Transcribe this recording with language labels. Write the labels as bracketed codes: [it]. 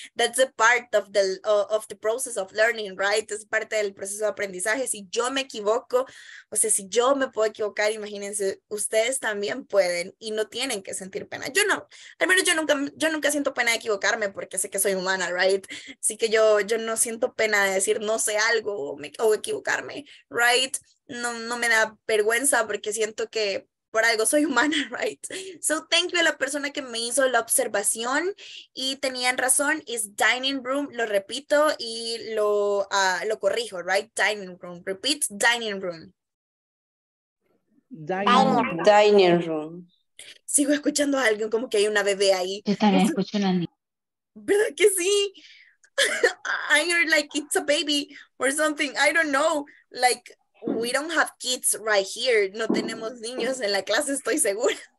[en] That's a part of the process of learning, right? [es] Es parte del proceso de aprendizaje. Si yo me equivoco, o sea, si yo me puedo equivocar, imagínense, ustedes también pueden y no tienen que sentir pena. Yo no, al menos yo nunca siento pena de equivocarme porque sé que soy humana, right? Así que yo no siento pena de decir no sé algo o equivocarme, right? No me da vergüenza porque siento que por algo soy humana, right? [en] So thank you [es] a la persona que me hizo la observación y tenían razón, [en] is dining room, [es] lo repito y lo corrijo, right? [en] Dining room, repeat, dining room. Dining room. [es] Sigo escuchando a alguien como que hay una bebé ahí. Yo también escucho a alguien. ¿Verdad que sí? [en] I heard like it's a baby or something. I don't know. Like, we don't have kids right here. [es] No tenemos niños en la clase, estoy segura.